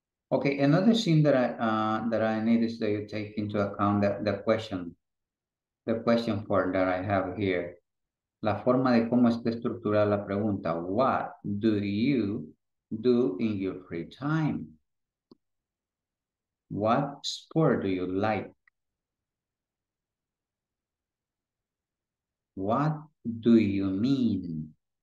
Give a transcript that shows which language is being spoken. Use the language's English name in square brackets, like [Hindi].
[English] Okay, another thing that I need is that you take into account the question that I have here. [Spanish] La forma de cómo está estructurada la pregunta. [English] What do you do in your free time? What sport do you like? What do you mean?